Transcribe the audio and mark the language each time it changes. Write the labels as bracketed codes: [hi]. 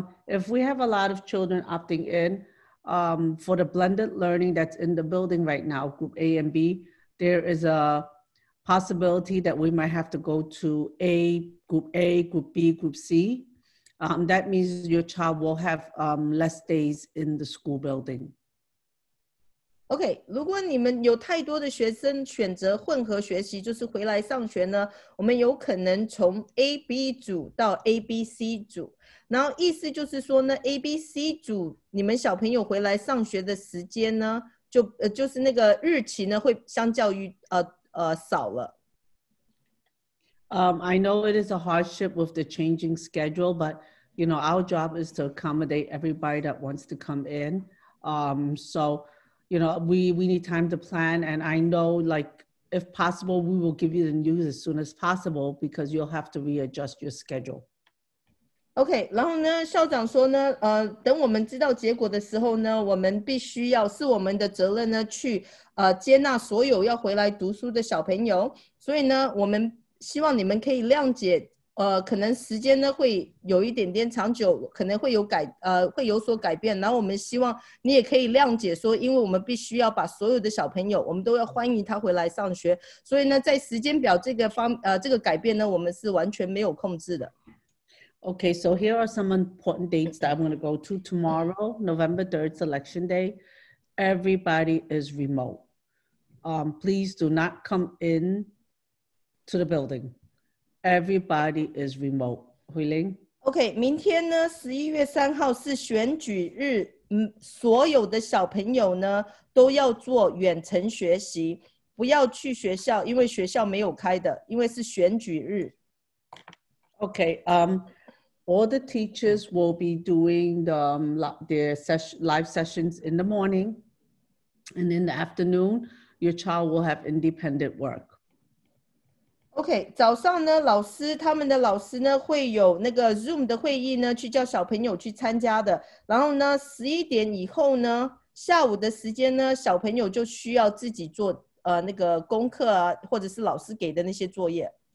[en] If we have a lot of children opting in, for the blended learning that's in the building right now, group A and B, there is a possibility that we might have to go to A, group A, group B, group C. That means your child will have less days in the school building. [zh] OK， 如果你们有太多的学生选择混合学习，就是回来上学呢，我们有可能从 AB 组到 ABC 组，然后意思就是说呢 ，ABC 组你们小朋友回来上学的时间呢，就是那个日期呢，会相较于少了。 [en] I know it is a hardship with the changing schedule, but you know our job is to accommodate everybody that wants to come in. So you know, we need time to plan, and I know, like, if possible, we will give you the news as soon as possible because you'll have to readjust your schedule. [zh] Okay, 然后呢，校长说呢，等我们知道结果的时候呢，我们必须要是我们的责任呢，去接纳所有要回来读书的小朋友。所以呢，我们希望你们可以谅解，可能时间呢会有一点点长久，可能会有改会有所改变，然后我们希望你也可以谅解说，因为我们必须要把所有的小朋友我们都要欢迎他回来上学，所以呢在时间表这个方这个改变呢我们是完全没有控制的。 [en] Okay, so here are some important dates that I'm going to go to. Tomorrow, November 3rd, Selection Day, everybody is remote. Please do not come in to the building. Everybody is remote. Hui Ling. [zh] Okay, 明天呢，十一月三号是选举日，所有的小朋友呢都要做远程学习，不要去学校，因为学校没有开的，因为是选举日。 [en] Okay, all the teachers will be doing their live sessions in the morning, and in the afternoon, your child will have independent work. [zh] OK， 早上呢，老师他们的老师呢会有那个 Zoom 的会议呢，去叫小朋友去参加的。然后呢，十一点以后呢，下午的时间呢，小朋友就需要自己做那个功课啊，或者是老师给的那些作业。